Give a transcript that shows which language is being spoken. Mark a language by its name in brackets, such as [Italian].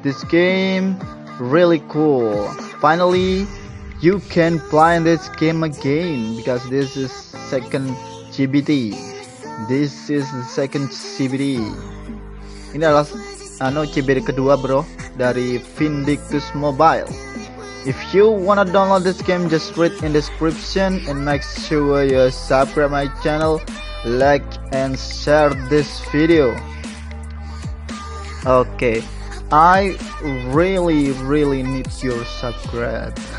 [English] This game really cool. Finally you can play in this game again, because this is second GBT. This is the second CBD. [Indonesian] Ini adalah CBD kedua bro dari Vindictus Mobile. [English] If you wanna download this game, just read in description and make sure you subscribe my channel, like and share this video. Okay, I really need your subscribe.